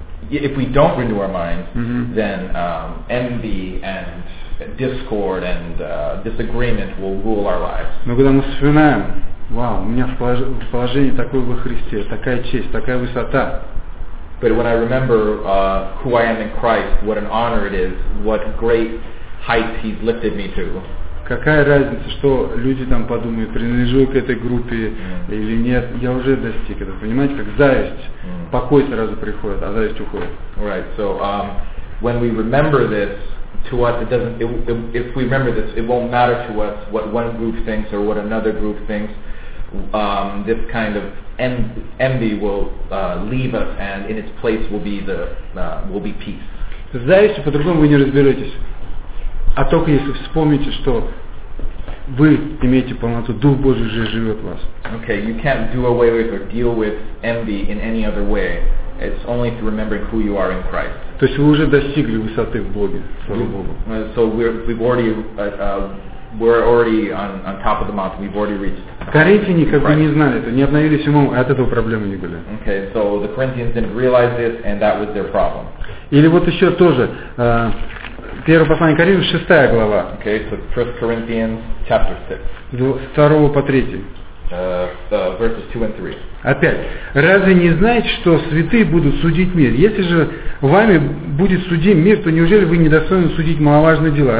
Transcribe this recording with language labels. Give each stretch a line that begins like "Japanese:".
English: If we don't renew our minds, mm-hmm. then envy and discord and disagreement will rule our lives.
Russian: Но когда мы вспоминаем, вау, у меня в положении такое во Христе, такая честь, такая высота.
English: But when I remember who I am in Christ, what an honor it is, what great heights He's lifted me to.
Russian: Какая разница, что люди там подумают, принадлежу к этой группе или нет, я уже достиг этого. Понимаете, как зависть, покой сразу приходит, а зависть уходит.
English: Right. So when we remember this, to us it doesn't. If we remember this, it won't matter to us what one group thinks or what another group thinks. This kind of envy will leave us, and in its place will be peace.
Russian: Зависть по-другому вы не разберетесь. А только если вспомните, что вы имеете полноту, Дух Божий уже живет в вас.
English: Okay, you can't do away with or deal with envy in any other way. It's only through remembering who you are in Christ.
Russian: То есть вы уже достигли высоты в Боге, слава Богу.
English: So we're already on top of the mountain. We've already reached.
Russian: Коринфяне как бы не знали это, не обновились умом, и от этого проблемы не были.
English: Okay, so the Corinthians didn't realize this, and that was their problem.
Russian: Или вот еще тоже. Первое послание Коринфянам, 6 глава.
English: Okay, so 1 Corinthians, chapter 6.
Russian: С 2 по 3.
English: Verses 2 and 3.
Russian: Опять. «Разве не знаете, что святые будут судить мир? Если же вами будет судим мир, то неужели вы недостойны судить маловажные дела?